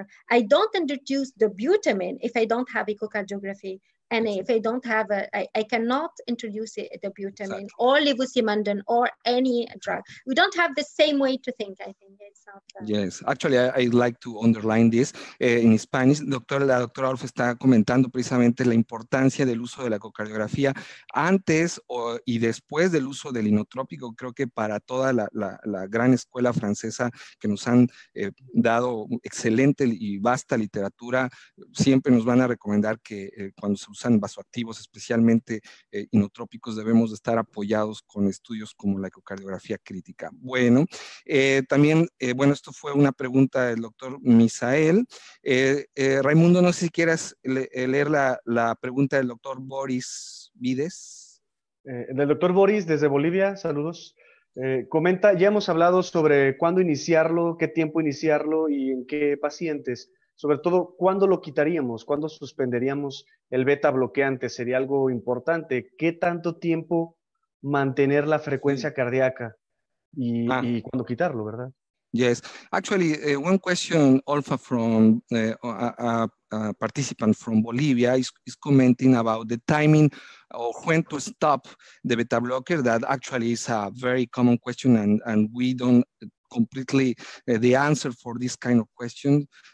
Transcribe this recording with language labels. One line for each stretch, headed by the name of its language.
English: I don't introduce dobutamine if I don't have echocardiography, and if I don't have I cannot introduce dobutamine or levosimendan or any drug. We don't have the same way to think, I think. Yes, actually, I'd like to underline this in Spanish.
Spanish: La doctora Olfa está comentando precisamente la importancia del uso de la ecocardiografía antes y después del uso del inotrópico. Creo que para toda la gran escuela francesa que nos han dado excelente y vasta literatura, siempre nos van a recomendar que cuando se usan vasoactivos, especialmente inotrópicos, debemos de estar apoyados con estudios como la ecocardiografía crítica. Bueno, también, esto fue una pregunta del doctor Misael. Raimundo, no sé si quieras leer la pregunta del doctor Boris Vides. Del doctor Boris, desde Bolivia, saludos. Comenta, ya hemos hablado sobre cuándo iniciarlo, qué tiempo iniciarlo y en qué pacientes. Sobre todo, ¿cuándo lo quitaríamos? ¿Cuándo suspenderíamos el beta bloqueante? Sería algo importante. ¿Qué tanto tiempo mantener la frecuencia cardíaca y cuándo quitarlo, verdad?
English: Yes, actually, one question, Olfa, from a participant from Bolivia is commenting about the timing or when to stop the beta blocker. That actually is a very common question, and we don't completely the answer for this kind of question.